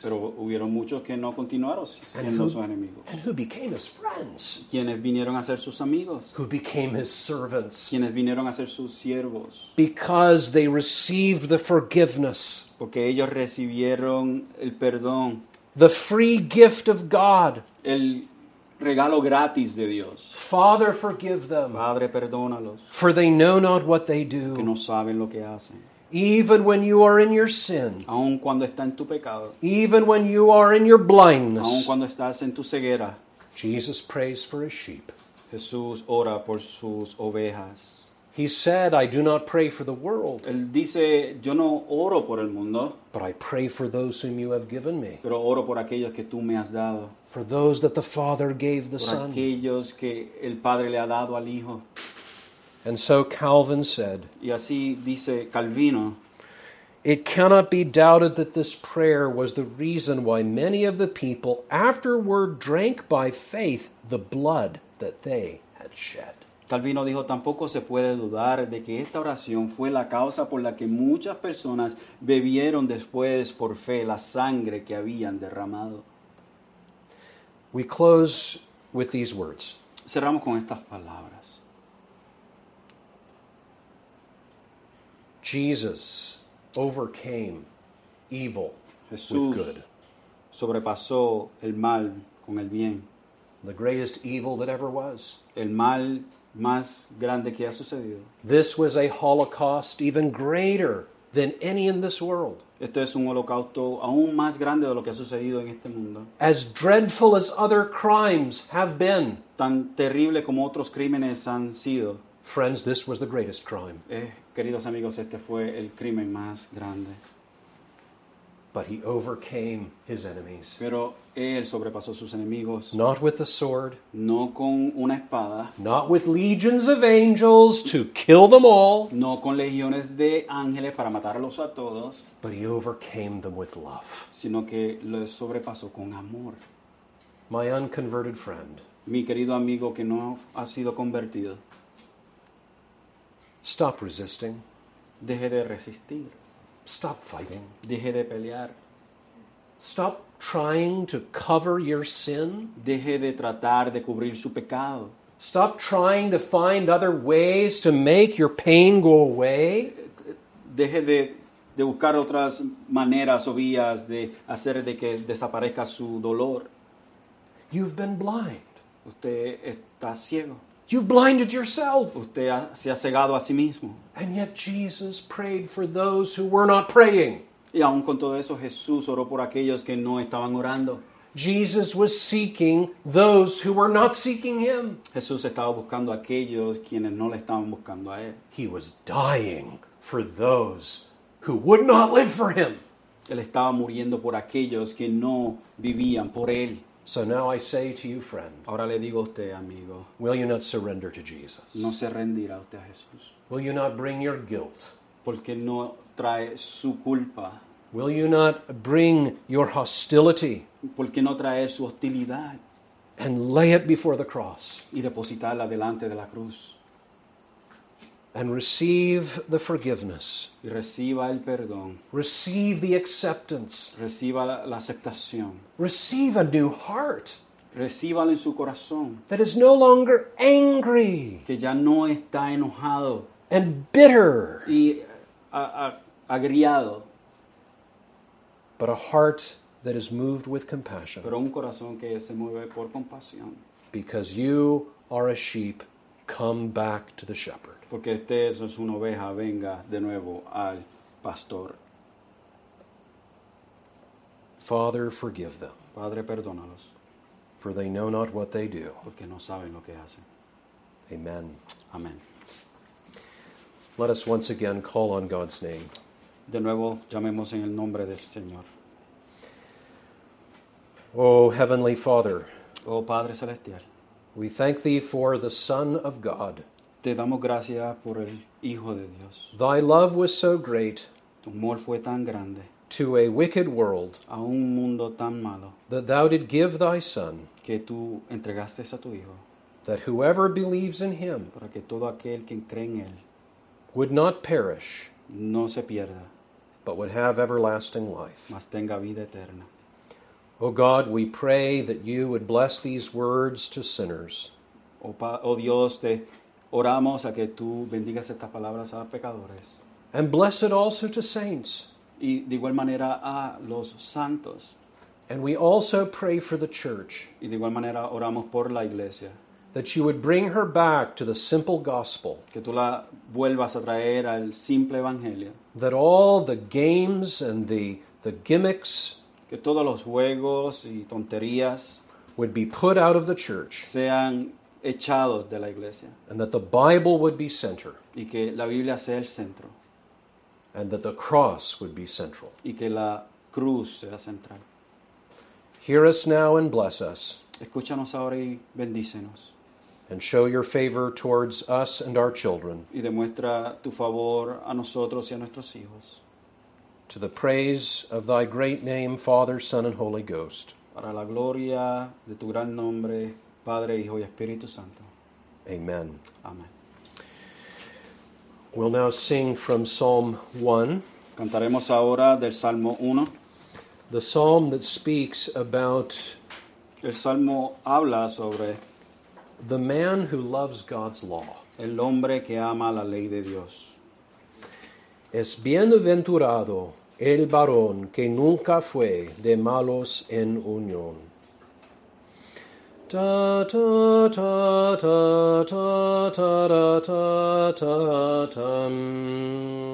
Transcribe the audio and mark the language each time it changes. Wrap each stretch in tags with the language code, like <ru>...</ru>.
<es>Pero hubieron muchos que no continuaron siendo sus enemigos.</es> <en>And who became his friends?</en> <es>Quienes vinieron a ser sus amigos.</es> <en>Who became his servants?</en> <es>Quienes vinieron a ser sus siervos.</es> <en>Because they received the forgiveness.</en> <es>Porque ellos recibieron el perdón.</es> <en>The free gift of God.</en> <es>El regalo gratis de Dios.</es> <en>Father, forgive them.</en> <es>Padre, perdónalos.</es> <en>For they know not what they do.</en> <es>Que no saben lo que hacen.</es> <en>Even when you are in your sin,</en> <es>aun cuando está en tu pecado,</es> <en>even when you are in your blindness,</en> <es>aun cuando estás en tu ceguera,</es> <en>Jesus prays for his sheep.</en> <es>Jesús ora por sus ovejas.</es> <en>He said, "I do not pray for the world."</en> <es>Él dice, "Yo no oro por el mundo."</es> <en>But I pray for those whom you have given me.</en> <es>Pero oro por aquellos que tú me has dado.</es> <en>For those that the Father gave the Son.</en> <es>Por aquellos que el Padre le ha dado al Hijo.</es> <en>And so Calvin said,</en> <es>y así dice Calvino,</es> <en>it cannot be doubted that this prayer was the reason why many of the people afterward drank by faith the blood that they had shed.</en> <es>Calvino dijo, tampoco se puede dudar de que esta oración fue la causa por la que muchas personas bebieron después por fe la sangre que habían derramado.</es> <en>We close with these words.</en> <es>Cerramos con estas palabras.</es> <en>Jesus overcame evil</en> <es>Jesús</es> <en>with good.</en> <es>Sobrepasó el mal con el bien.</es> <en>The greatest evil that ever was.</en> <es>El mal más grande que ha sucedido.</es> <en>This was a holocaust even greater than any in this world.</en> <es>Este es un holocausto aún más grande de lo que ha sucedido en este mundo.</es> <en>As dreadful as other crimes have been.</en> <es>Tan terrible como otros crímenes han sido.</es> <en>Friends, this was the greatest crime.</en> <es>Queridos amigos, este fue el crimen más grande.</es> <en>But he overcame his enemies.</en> <es>Pero él sobrepasó sus enemigos.</es> <en>Not with a sword.</en> <es>No con una espada.</es> <en>Not with legions of angels to kill them all.</en> <es>No con legiones de ángeles para matarlos a todos.</es> <en>But he overcame them with love.</en> <es>Sino que los sobrepasó con amor.</es> <en>My unconverted friend.</en> <es>Mi querido amigo que no ha sido convertido.</es> <en>Stop resisting.</en> <es>Deje de resistir.</es> <en>Stop fighting.</en> <es>Deje de pelear.</es> <en>Stop trying to cover your sin.</en> <es>Deje de tratar de cubrir su pecado.</es> <en>Stop trying to find other ways to make your pain go away.</en> <es>Deje de buscar otras maneras o vías de hacer de que desaparezca su dolor.</es> <en>You've been blind.</en> <es>Usted está ciego.</es> <en>You've blinded yourself.</en> <es>Usted se ha cegado a sí mismo.</es> <en>And yet Jesus prayed for those who were not praying.</en> <es>Y aun con todo eso, Jesús oró por aquellos que no estaban orando.</es> <en>Jesus was seeking those who were not seeking him.</en> <es>Jesús estaba buscando a aquellos quienes no le estaban buscando a él.</es> <en>He was dying for those who would not live for him.</en> <es>Él estaba muriendo por aquellos que no vivían por él.</es> <en>So now I say to you, friend.</en> <es>Ahora le digo a usted, amigo.</es> <en>Will you not surrender to Jesus?</en> <es>No se rendirá usted a Jesús.</es> <en>Will you not bring your guilt?</en> <es>Porque no trae su culpa.</es> <en>Will you not bring your hostility?</en> <es>Porque no trae su hostilidad.</es> <en>And lay it before the cross.</en> <es>Y depositarla delante de la cruz.</es> <en>And receive the forgiveness.</en> <es>Y reciba el perdón.</es> <en>Receive the acceptance.</en> <es>Reciba la aceptación.</es> <en>Receive a new heart.</en> <es>Recíbalo en su corazón.</es> <en>That is no longer angry.</en> <es>Que ya no está enojado.</es> <en>And bitter.</en> <es>Y agriado.</es> <en>But a heart that is moved with compassion.</en> <es>Pero un corazón que se mueve por compasión.</es> <en>Because you are a sheep, come back to the shepherd.</en> <es>Porque usted es una oveja, venga de nuevo al pastor.</es> <en>Father, forgive them.</en> <es>Padre, perdónalos.</es> <en>For they know not what they do.</en> <es>Porque no saben lo que hacen.</es> <en>Amen.</en> <es>Amen.</es> <en>Let us once again call on God's name.</en> <es>De nuevo, llamemos en el nombre del Señor.</es> <en>Oh, Heavenly Father.</en> <es>Oh, Padre Celestial.</es> <en>We thank Thee for the Son of God.</en> <es>Te damos gracias por el Hijo de Dios.</es> <en>Thy love was so great.</en> <es>temor fue tan grande</es> <en>to a wicked world</en> <es>a un mundo tan malo</es> <en>that thou did give thy son</en> <es>que tú entregaste a tu hijo</es> <en>that whoever believes in him</en> <es>para que todo aquel quien cree en él</es> <en>would not perish</en> <es>no se pierda</es> <en>but would have everlasting life</en> <es>mas tenga vida eterna.</es> <en>O God, we pray that you would bless these words to sinners.</en> <es>Oh Dios, te oramos a que tú bendigas estas palabras a pecadores.</es> <en>And bless it also to saints.</en> <es>Y de igual manera a los santos.</es> <en>And we also pray for the church.</en> <es>Y de igual manera oramos por la iglesia.</es> <en>That you would bring her back to the simple gospel.</en> <es>Que tú la vuelvas a traer al simple evangelio.</es> <en>That all the games and the gimmicks</en> <es>que todos los juegos y tonterías</es> <en>would be put out of the church</en> <es>sean echados de la iglesia</es> <en>and that the Bible would be center</en> <es>y que la Biblia sea el centro</es> <en>and that the cross would be central</en> <es>y que la cruz sea central.</es> <en>Hear us now and bless us.</en> <es>Escúchanos ahora y bendícenos.</es> <en>And show your favor towards us and our children.</en> <es>Y demuestra tu favor a nosotros y a nuestros hijos.</es> <en>To the praise of thy great name, Father, Son, and Holy Ghost.</en> <es>Para la gloria de tu gran nombre, Padre, Hijo, y Espíritu Santo.</es> <en>Amen.</en> <es>Amen.</es> <en>We'll now sing from Psalm 1.</en> <es>Cantaremos ahora del Salmo 1.</es> <en>The psalm that speaks about</en> <es>el Salmo habla sobre</es> <en>the man who loves God's law.</en> <es>El hombre que ama la ley de Dios. Es bienaventurado el varón que nunca fue de malos en unión. Ta ta ta ta ta ta ta ta ta ta.</es>